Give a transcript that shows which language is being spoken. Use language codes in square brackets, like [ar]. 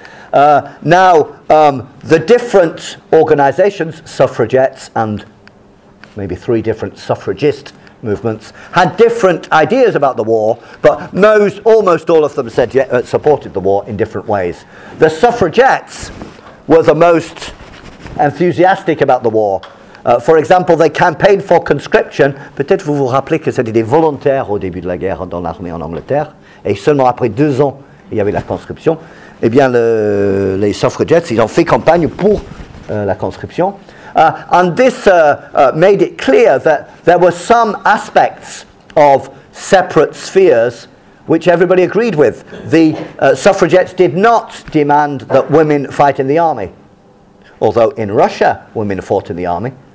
[en] The different organizations, suffragettes and maybe three different suffragist movements, had different ideas about the war, but almost all of them said supported the war in different ways. The suffragettes were the most enthusiastic about the war. For example, they campaigned for conscription. [fr] Peut-être vous vous rappelez que c'était des volontaires au début de la guerre dans l'armée en Angleterre, et seulement après 2 ans, il y avait la conscription. Eh bien, les suffragettes, ils ont fait campagne pour la conscription. [en] Made it clear that there were some aspects of separate spheres which everybody agreed with. The suffragettes did not demand that women fight in the army, although in Russia women fought in the army.